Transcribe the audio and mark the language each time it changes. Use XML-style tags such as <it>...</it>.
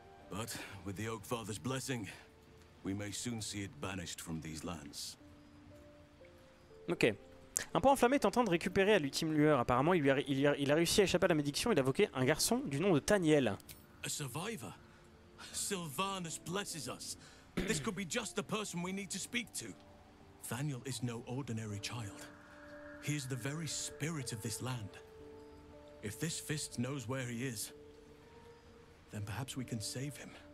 <en>But with the Oak Father's blessing, we may soon see it banished from these lands. Ok.</en> <fr>Un peu enflammé est en train de récupérer à l'ultime lueur. Apparemment, il a réussi à échapper à la malédiction et d'invoquer un garçon du nom de Taniel.</fr> <en>A survivor. Sylvanas blesses us. This could be just the person we need to speak to. Thaniel is no ordinary child. He is the very spirit of this land. If this fist knows where he is, then perhaps we can save him.</en>